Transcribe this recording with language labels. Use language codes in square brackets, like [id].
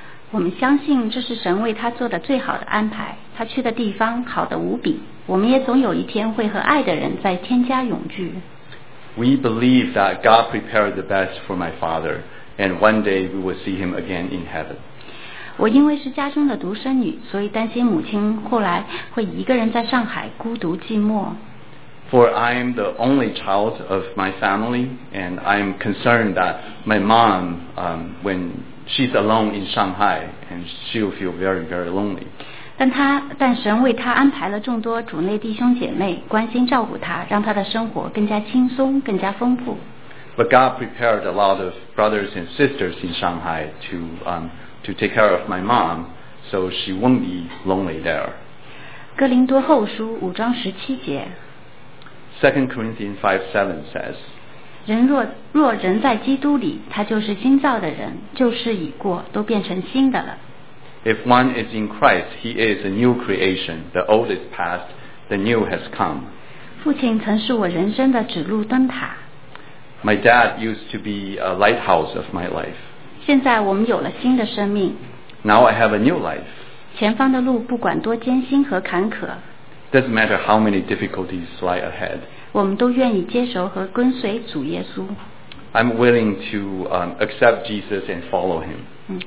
[zh] 我们相信这是神为他做的最好的安排。他去的地方好得无比。我们也总有一天会和爱的人在天家永聚。 [en] We believe that God prepared the best for my father, and one day we will see him again in heaven. [zh] 我因为是家中的独生女，所以担心母亲后来会一个人在上海孤独寂寞。 [en] For I am the only child of my family, and I am concerned that my mom, when she's alone in Shanghai, and she'll feel very, very lonely. [zh] 但神为他安排了众多主内弟兄姐妹关心照顾他，让他的生活更加轻松，更加丰富。 [en] But God prepared a lot of brothers and sisters in Shanghai to take care of my mom, so she won't be lonely there. [zh] 哥林多后书五章十七节。 [en] Second Corinthians 5:7 says, [zh] 若人在基督里，他就是新造的人，旧事已过，都变成新的了。 [en] If one is in Christ, he is a new creation. The old is past, the new has come. [zh] 父亲曾是我人生的指路灯塔。 [en] My dad used to be a lighthouse of my life. [zh] 现在我们有了新的生命。 [en] Now I have a new life. [zh] 前方的路不管多艰辛和坎坷。 [en] Doesn't matter how many difficulties lie ahead. [zh] 我们都愿意接受和跟随主耶稣。 [en] I'm willing to accept Jesus and follow him.